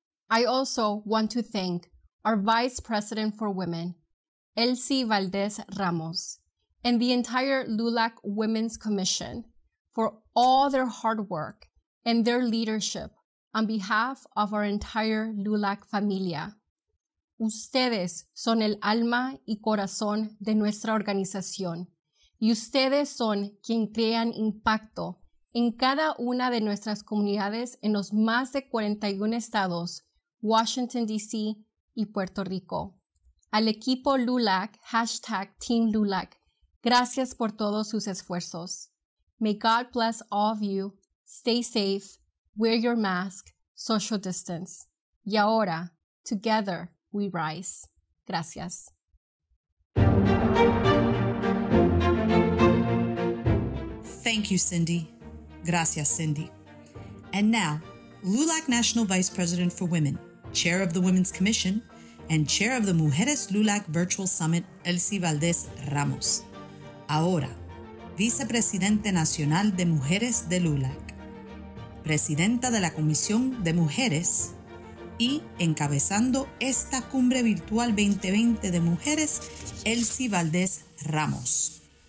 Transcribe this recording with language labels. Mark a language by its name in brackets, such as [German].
[English] I also want to thank our Vice President for Women, Elsie Valdez Ramos, and the entire LULAC Women's Commission for all their hard work and their leadership on behalf of our entire LULAC familia. [Spanish] Ustedes son el alma y corazón de nuestra organización, y ustedes son quien crean impacto en cada una de nuestras comunidades en los más de 41 estados, Washington, D.C., y Puerto Rico. Al equipo LULAC, hashtag Team LULAC, gracias por todos sus esfuerzos. [English] May God bless all of you. Stay safe. Wear your mask. Social distance. [Spanish] Y ahora, [English] together, we rise. [Spanish] Gracias. [English] Thank you, Cindy. [Spanish] Gracias, Cindy. [English] And now, LULAC National Vice President for Women, Chair of the Women's Commission, and Chair of the Mujeres LULAC Virtual Summit, Elsie Valdez Ramos. [Spanish] Ahora, Vicepresidente Nacional de Mujeres de LULAC, Presidenta de la Comisión de Mujeres, y encabezando esta cumbre virtual 2020 de mujeres, Elsie Valdés Ramos.